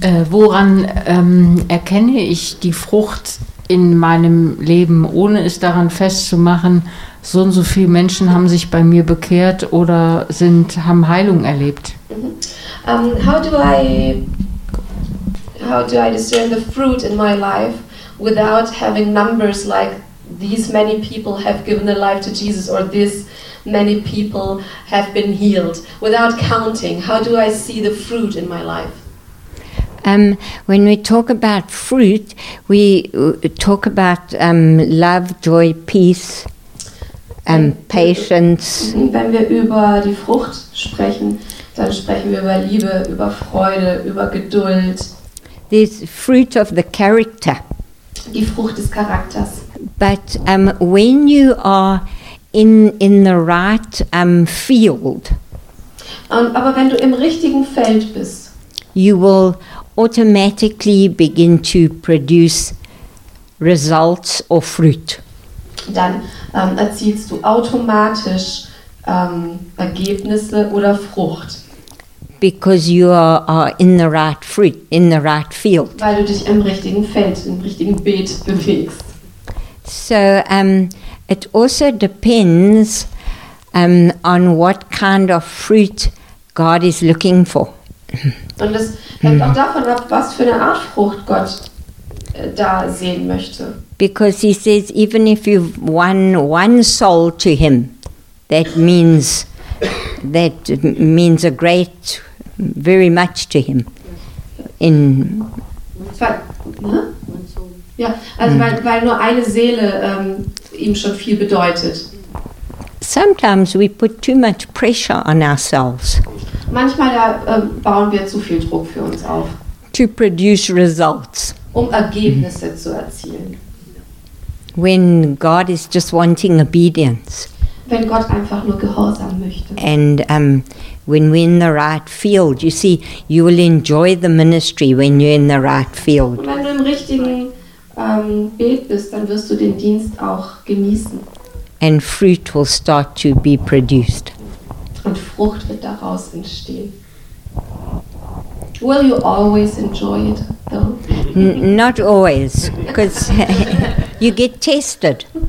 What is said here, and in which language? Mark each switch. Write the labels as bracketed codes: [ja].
[de] Woran erkenne ich die Frucht in meinem Leben, ohne es daran festzumachen, so und so viele Menschen haben sich bei mir bekehrt oder haben Heilung erlebt? [en] How do I discern the fruit in my life without having numbers like these many people have given their life to Jesus or this many people have been healed without counting? How do I see the fruit in my life? When we talk about fruit, we talk about love, joy, peace, patience. [de] Wenn wir über die Frucht sprechen, dann sprechen wir über Liebe, über Freude, über Geduld. [en] This fruit of the character. [de] Die Frucht des Charakters. [en] But when you are in the right field. [de] Aber wenn du im richtigen Feld bist, [en] you will automatically begin to produce results or fruit. [de] Dann erzielst du automatisch Ergebnisse oder Frucht. [en] Because you are in the right fruit, in the right field. [de] Weil du dich im richtigen Feld, im richtigen Beet bewegst. [en] So, it also depends on what kind of fruit God is looking for. [de] Und es hängt auch davon ab, was für eine Art Frucht Gott da sehen möchte. [en] Because he says, even if you won one soul to him, that means a great, very much to him. In [de] ja, also weil nur eine Seele ihm schon viel bedeutet. [en] Sometimes we put too much pressure on ourselves. [de] Manchmal bauen wir zu viel Druck für uns auf. [en] To produce results. [de] Um Ergebnisse zu erzielen. [en] When God is just wanting obedience. [de] Wenn Gott einfach nur gehorsam möchte. [en] And when we're in the right field, you see, you will enjoy the ministry when you're in the right field. [de] Und wenn du im richtigen Bild bist, dann wirst du den Dienst auch genießen. [en] And fruit will start to be produced. [de] Und Frucht wird daraus entstehen. [en] Will you always enjoy it, though? Not always, because you get tested.